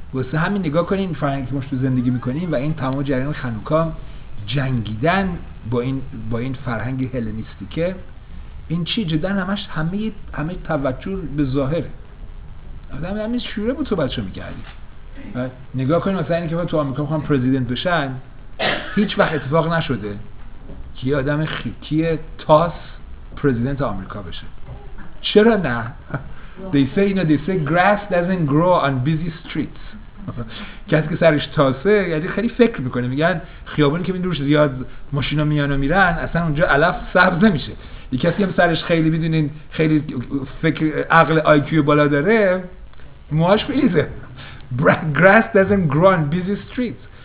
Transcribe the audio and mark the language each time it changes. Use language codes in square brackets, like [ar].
[fa] واسه همین نگاه کنین فرهنگی که ما تو زندگی میکنیم، و این تمام جریان خنوکا جنگیدن با این فرهنگ هلنیستیکه، این چی جدا، همش همه توجه به ظاهره. آدم همین شوره بود تو بچه میکردیم. نگاه کنیم مثلا اینکه تو آمریکا بخوام پرزیدنت بشن، هیچ وقت اتفاق نشده که یه آدم خیکی تاس پرزیدنت آمریکا بشه. چرا نه؟ [en] They say grass doesn't grow on busy streets. [fa] کسی که سرش تاسه یعنی خیلی فکر میکنه، میگن خیابونی که میدونش زیاد ماشینا میان و میرن، اصلا اونجا علف سبز نمیشه. یه کسی هم سرش خیلی میدونین خیلی فکر عقل IQ بالا داره، موهاش میریزه. [en] Grass doesn't grow on busy streets.